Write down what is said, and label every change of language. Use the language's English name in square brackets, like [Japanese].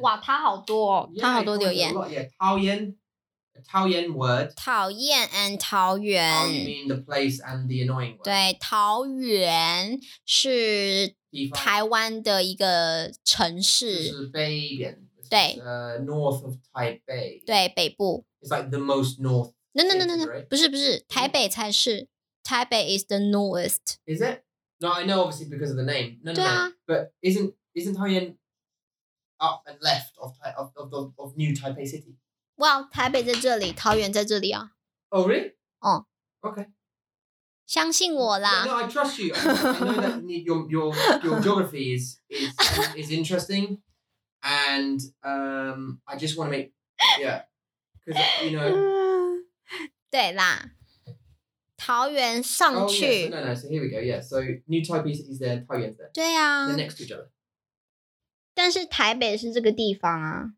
[Chinese] 哇，他好多哦，他好多留言。 [English] 桃园。Taoyuan word. Taoyuan and Taoyuan. Oh, you mean the place and the annoying word. [Chinese] 对, Taoyuan 是 台湾的一个城市。就是北边, 对, [English] north of Taipei. [Chinese] 对, 北部。 [English] It's like the most north. No, right? [Chinese] 不是, 台北才是, [English] Taipei is the northest. Is it? No, I know obviously because of the name. No. But isn't Taoyuan up and left of new Taipei city? [Chinese] Well, 台北在这里, 桃园在这里啊。 [English] Oh, really? Oh. Okay. [Chinese] 相信我啦。 [English] No, I trust you. I know that your geography is interesting. And I just want to make, yeah. Because, you know. [Chinese] 对啦, 桃园上去。 [English] Oh, yeah, so here we go, yeah. So, new Taipei city is there, 桃园's there. [Chinese] 对啊。 [English] They're next to each other. [Chinese] 但是台北是这个地方啊。